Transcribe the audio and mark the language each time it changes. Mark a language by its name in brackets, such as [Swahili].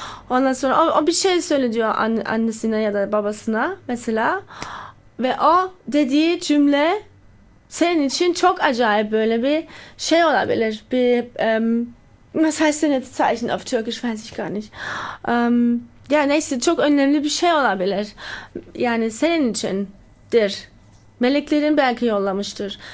[Turkish] Ondan sonra o bir şey söyle diyor annesine ya da babasına mesela. Ve o dediği cümle senin için çok acayip böyle bir şey olabilir. [German] Bir, was heißt denn jetzt Zeichen auf Türkisch, weiß ich gar nicht. [Turkish] Ja, neyse, çok önemli bir şey olabilir. Yani senin içindir. Meleklerin belki yollamıştır.